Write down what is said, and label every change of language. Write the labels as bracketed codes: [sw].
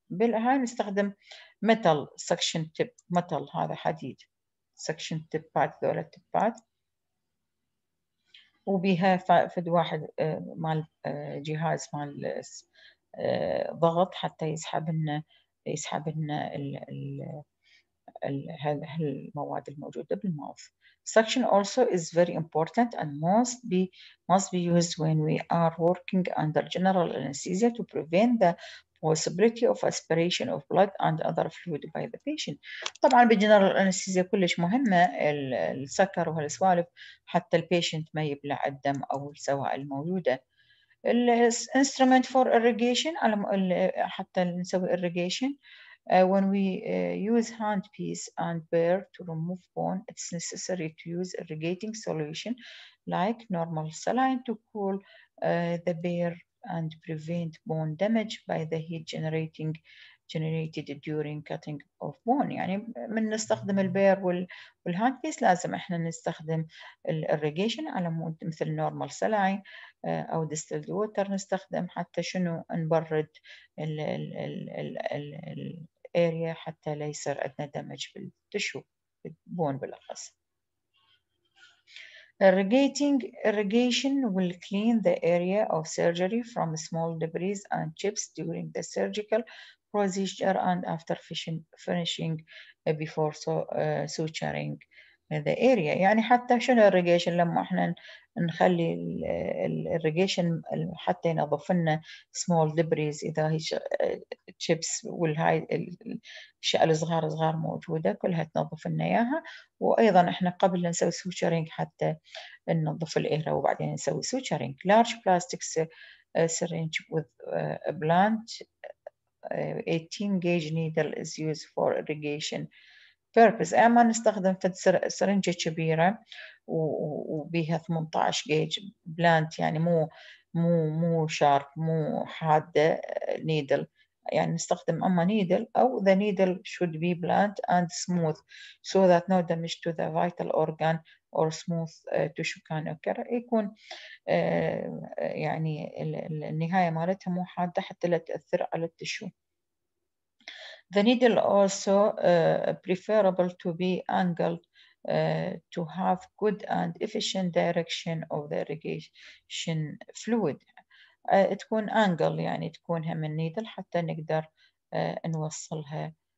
[ar] بالهاي نستخدم metal suction tip metal هذا حديد suction tip pad ذولا tip pad وبها فد واحد مال جهاز مال ضغط حتى يسحب لنا المواد الموجوده بالماوث. [en] Suction also is very important and must be used when we are working under general anesthesia to prevent the possibility of aspiration of blood and other fluid by the patient. [ar] طبعا بجنرال انستيزيا كلش مهمه السكر وهالسوالف حتى البيشنت ما يبلع الدم او السوائل الموجوده. الانسترومنت فور اريجيشن حتى نسوي اريجيشن [en] when we use hand piece and burr to remove bone it's necessary to use irrigating solution like normal saline to cool the burr and prevent bone damage by the heat generating generated during cutting of bone. [ar] يعني من نستخدم البير والهاند بيس لازم احنا نستخدم الاريجيشن على مود مثل نورمال سلعي او ديستلد ووتر، نستخدم حتى شنو نبرد الاريا حتى لا يصير عندنا دمج بالتشو بالبون بالاخص. [en] Irrigating irrigation will clean the area of surgery from small debris and chips during the surgical procedure and after finishing before suturing the area. [ar] يعني حتى شنو irrigation، لما احنا نخلي irrigation حتى ينظف لنا small debris اذا هي chips والهاي الاشياء الصغار صغار موجوده كلها تنظف لنا اياها، وايضا احنا قبل نسوي suturing حتى ننظف الاهرة وبعدين نسوي suturing. [en] Large plastic syringe with a blunt 18 gauge needle is used for irrigation purpose. [ar] أما نستخدم في سرنجة كبيرة وبيها 18 جيج بلانت، يعني مو شارب مو حادة نيدل، يعني نستخدم أما نيدل أو [en] the needle should be blunt and smooth so that no damage to the vital organ or smooth tissue can occur. [ar] يكون يعني النهاية مالتها مو حادة حتى لا تأثر على التشو. [en] The needle also preferable to be angled to have good and efficient direction of the irrigation fluid. [ar] تكون angle يعني تكون هم النيدل حتى نقدر نوصلها.